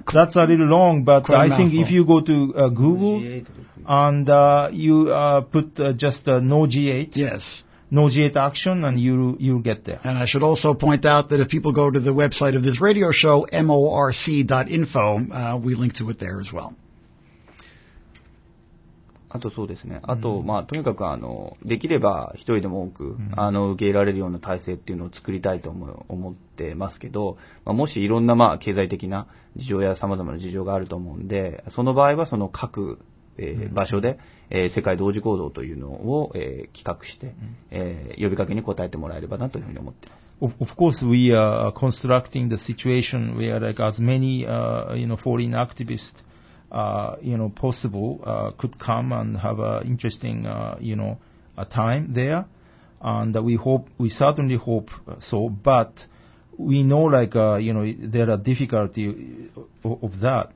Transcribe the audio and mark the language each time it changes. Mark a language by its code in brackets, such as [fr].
[en] that's a little long, but I think if you go to Google and you put just no G8. Yes. No G8 action, and you'll get there. And I should also point out that if people go to the website of this radio show, morc.info, we link to it there as well. [ja] あとそうですね。あと、うん、まあ、とにかく、できれば、一人でも多く、受け入れられるような体制っていうのを作りたいと思ってますけど、まあ、もし、いろんな、まあ、経済的な事情や様々な事情があると思うんで、その場合は、その各、場所で、世界同時行動というのを、企画して、呼びかけに応えてもらえればなというふうに思っています。 [en] Of course, we are constructing the situation where, like, as many, you know, foreign activists,you know, possible, could come and have an interesting, you know, a time there. And we hope, we certainly hope so, but we know, like, you know, there are difficulty of that.